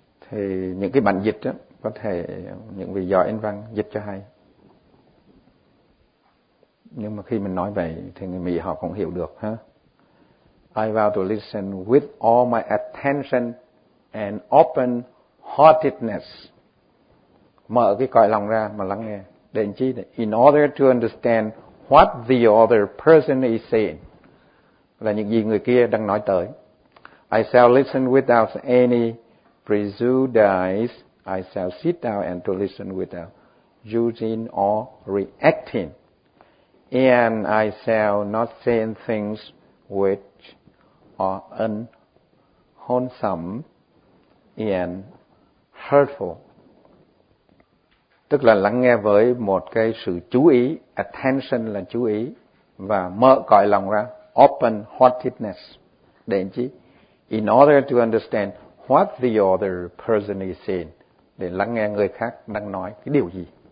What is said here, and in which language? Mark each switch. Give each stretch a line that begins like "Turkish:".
Vietnamese: Thì những cái bản dịch đó, có thể những vị giỏi anh văn dịch cho hay, nhưng mà khi mình nói vậy thì người Mỹ họ cũng hiểu được ha.
English: I vow to listen with all my attention and open heartedness.
Vietnamese: Mở cái cõi lòng ra mà lắng nghe. Để làm chi?
English: In order to understand what the other person is saying.
Vietnamese: Là những gì người kia đang nói tới.
English: I shall listen without any prejudice. I shall sit down and to listen without judging or reacting. And I shall not say things which are unwholesome and hurtful.
Vietnamese: Tức là lắng nghe với một cái sự chú ý, attention là chú ý, và mở cõi lòng ra,
English: open heartedness,
Vietnamese: để làm chi?
English: In order to understand what the other person is saying,
Vietnamese: để lắng nghe người khác đang nói cái điều gì.